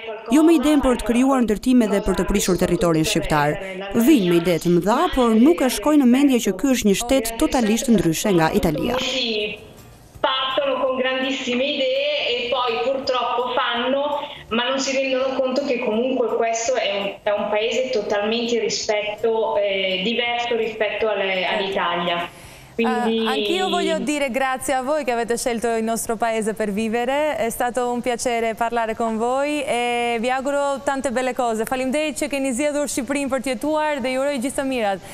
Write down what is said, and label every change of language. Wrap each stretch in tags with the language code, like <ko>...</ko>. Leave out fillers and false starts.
<sq>Jo me idenë për të krijuar ndërtime dhe për të prishur territorin shqiptar. Vinë me idenë të mëdha, por nuk e shkoj në mendje që ky është një shtet totalisht ndryshe nga Italia.</sq> <it>Partono con grandissime idee e poi purtroppo fanno, ma non si rendono conto che comunque questo è un paese totalmente rispetto diverso rispetto all'Italia. Anch'io voglio dire grazie a voi che avete scelto il nostro paese per vivere. È stato un piacere parlare con voi e vi auguro tante belle cose.</it> <sq>Falimderit që keni zgjedhur Shqipërinë për të jetuar dhe juroj gjithë të mirat.</sq>